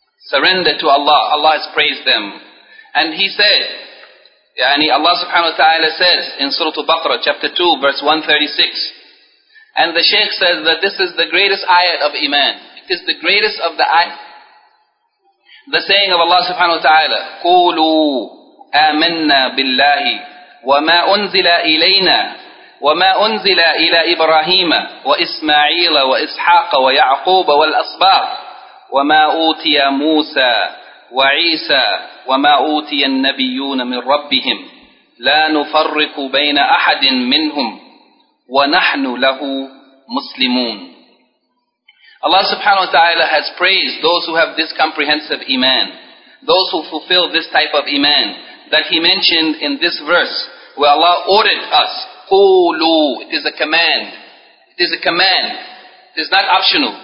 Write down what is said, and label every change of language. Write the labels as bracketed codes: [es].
[en] Surrender to Allah. Allah has praised them. And He said, yani Allah subhanahu wa ta'ala says in Surah Al-Baqarah chapter 2 verse 136. And the Shaykh says that this is the greatest ayat of iman. It is the greatest of the ayat. The saying of [ar] Allah subhanahu wa ta'ala, قُولُوا آمَنَّا بِاللَّهِ وَمَا أُنزِلَ إِلَيْنَا وَمَا أُنزِلَ إِلَى إِبْرَاهِيمَ وَإِسْمَعِيلَ وَإِسْحَاقَ وَيَعْقُوبَ وَالْأَصْبَاطِ وَمَا أُوْتِيَ مُوسَى وَعِيسَى وَمَا أُوْتِيَ النَّبِيُّونَ مِنْ رَبِّهِمْ لَا نُفَرِّقُ بَيْنَ أَحَدٍ مِّنْهُمْ وَنَحْنُ لَهُ مُسْلِمُونَ. [en] Allah subhanahu wa ta'ala has praised those who have this comprehensive iman. Those who fulfill this type of iman that He mentioned in this verse where Allah ordered us, قولوا, it is a command. It is a command. It is not optional.